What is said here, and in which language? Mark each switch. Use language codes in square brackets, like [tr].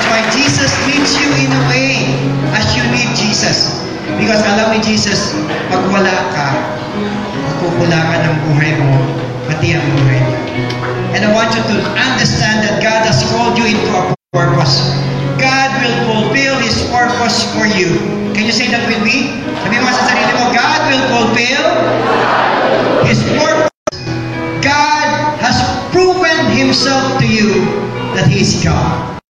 [en] Jesus meets you in a way as you need Jesus. [tl] Because alam mo, Jesus, pag wala ka, magkukula ka ng buhay mo, pati ang buhay niya. [en] And I want you to understand that God has called you into a purpose. God will fulfill His purpose for you. Can you say that with me? [tl] Sabi mo sa sarili mo, [en] God will fulfill His purpose. God has proven Himself to you that He is God.